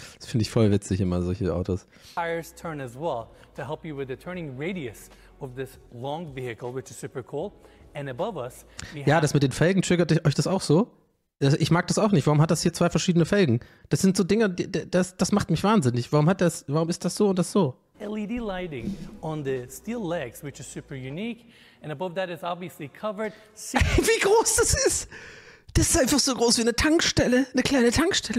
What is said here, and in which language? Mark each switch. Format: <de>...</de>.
<de>Das finde ich voll witzig immer, solche Autos.</de> <en>Tires turn as well to help you with the turning radius of this long vehicle, which is super cool. And above us,</en> <de>ja, das mit den Felgen triggert euch das auch so? Ich mag das auch nicht. Warum hat das hier zwei verschiedene Felgen? Das sind so Dinge, das macht mich wahnsinnig. Warum ist das so und das so?</de> <en>LED lighting on the steel legs, which is super unique. And above that is obviously covered.</en> <de>Wie groß das ist! Das ist einfach so groß wie eine Tankstelle, eine kleine Tankstelle.</de>